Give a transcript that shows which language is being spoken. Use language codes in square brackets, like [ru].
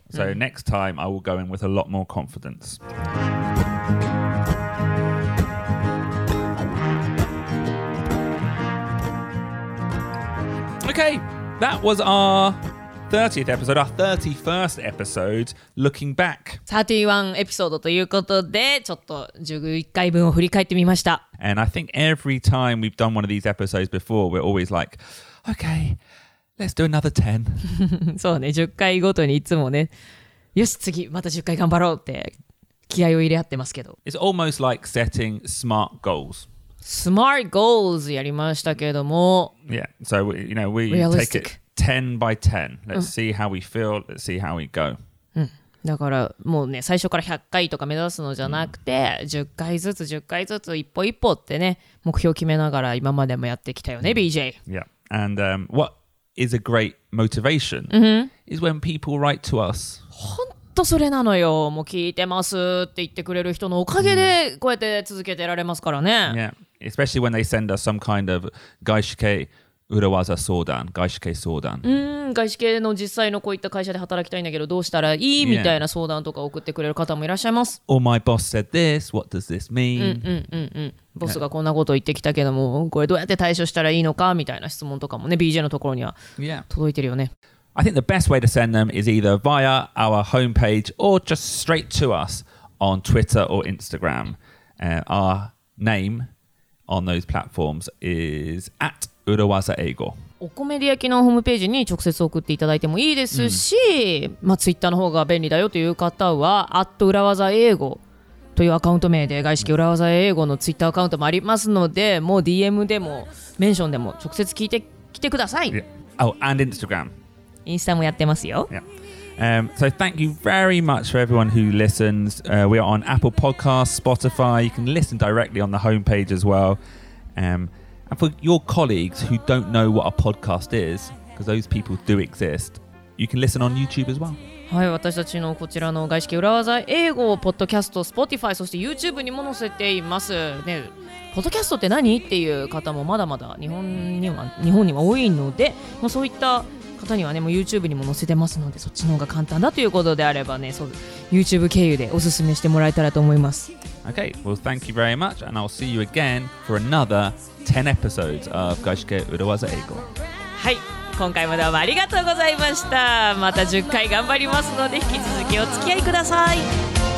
[en] So、うん、next time I will go in with a lot more confidence Okay That was our 30th episode, our 31st episode, looking back. [ja] 31 episode ということで、ちょっと11回分を振り返ってみました。 [en] And I think every time we've done one of these episodes before, we're always like, okay, let's do another 10. [ja] そうね、10回ごとにいつもね、よし、次また10回頑張ろうって気合を入れ合ってますけど。 [en] It's almost like setting smart goals. [ja] Smart goals やりましたけども [en] Yeah, so we, you know, we、Realistic. take it 10 by 10 Let's、うん、see how we feel, let's see how we go、 [ja] うん、だからもうね最初から100回とか目指すのじゃなくて、うん、10回ずつ10回ずつ一歩一歩ってね目標決めながら今までもやってきたよね、うん、BJ [en] Yeah, and、what is a great motivation、うん、 is when people write to us [ja] 本当それなのよもう聞いてますって言ってくれる人のおかげでこうやって続けてられますからね、うん、 [en] Yeahespecially when they send us some kind of [ja] 外資系裏技相談、外資系相談。外資系の実際のこういった会社で働きたいんだけどどうしたらいい、yeah. みたいな相談とか送ってくれる方もいらっしゃいます。 [en] Or my boss said this, what does this mean? [ja] ボスがこんなこと言ってきたけども、これどうやって対処したらいいのかみたいな質問とかもね、BJ のところには届いてるよね。 Yeah. [en] I think the best way to send them is either via our homepage or just straight to us on Twitter or Instagram.、our name... On those platforms is at Urawaza Eigo. [ja] お米で焼きのホームページに直接送っていただいてもいいですし、mm. まあ、Twitter の方が便利だよという方は at Urawaza Eigo というアカウント名で外資系Urawaza Eigoの Twitter アカウントもありますので、もう DM でもメンションでも直接聞いてきてください。 [en] Yeah. Oh, and Instagram. [ja] インスタもやってますよ。 Yeah. [en] So thank you very much for everyone who listens. We are on Apple Podcasts, Spotify. You can listen directly on the homepage as well. And for your colleagues who don't know what a podcast is, because those people do exist, you can listen on YouTube as well. [ja] はい、私たちのこちらの外資系裏技英語をポッドキャスト、Spotify、そして YouTube にも載せています、ね、ポッドキャストって何っていう方もまだまだ日本には多いので、まあ、そういった方にはね、もう YouTube にも載せてますのでそっちの方が簡単だということであればね、そう YouTube 経由でおすすめしてもらえたらと思います [en] Okay, well thank you very much and I'll see you again for another 10 episodes of 外資系裏技英語 [ja] はい今回もどうもありがとうございました。また10回頑張りますので引き続きお付き合いください。